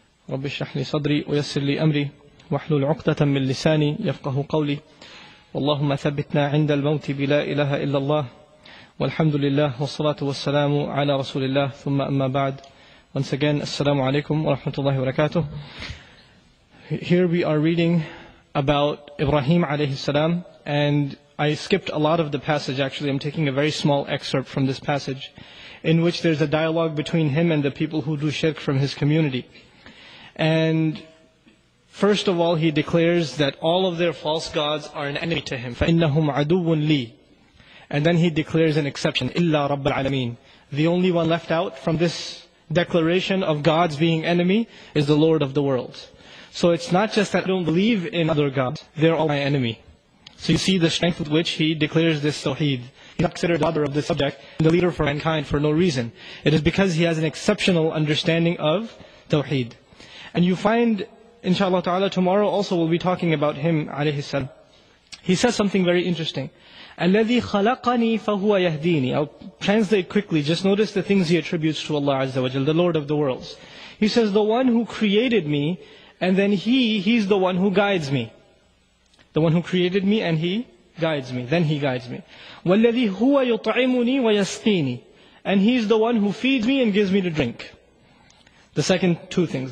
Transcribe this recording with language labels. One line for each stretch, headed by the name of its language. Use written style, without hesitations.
Arabic: رب اشرح لي صدري ويسر لي أمري واحلل عقدة من لساني يفقه قولي اللهم ثبتنا عند الموت بلا إله إلا الله والحمد لله والصلاة والسلام على رسول الله ثم أما بعد.
English: Once again, assalamu alaikum wa rahmatullahi wa barakatuh. Here we are reading about Ibrahim alayhi salam, and I skipped a lot of the passage actually. I'm taking a very small excerpt from this passage in which there's a dialogue between him and the people who do shirk from his community. And first of all, he declares that all of their false gods are an enemy to him.
Arabic: فَإِنَّهُمْ عَدُوٌ لِي.
English: And then he declares an exception,
Arabic: إِلَّا رَبَّ الْعَالَمِينَ.
English: The only one left out from this declaration of gods being enemy is the Lord of the world. So it's not just that I don't believe in other gods, they're all my enemy. So you see the strength with which he declares this tawheed. He's not considered the father of this subject, the leader for mankind for no reason. It is because he has an exceptional understanding of tawheed. And you find, inshallah ta'ala, tomorrow also we'll be talking about him, alayhi salam. He says something very interesting.
Arabic: الَّذِي خَلَقَنِي فَهُوَ يَهْدِينِ
English: I'll translate quickly. Just notice the things he attributes to Allah Azza wa Jal, the Lord of the worlds. He says, the one who created me, and then he's the one who guides me. The one who created me, and he guides me. Then he guides me.
Arabic: وَالَّذِي هُوَ يُطْعِمُنِي وَيَسْقِينِ
English: And he's the one who feeds me and gives me to drink. The second two things.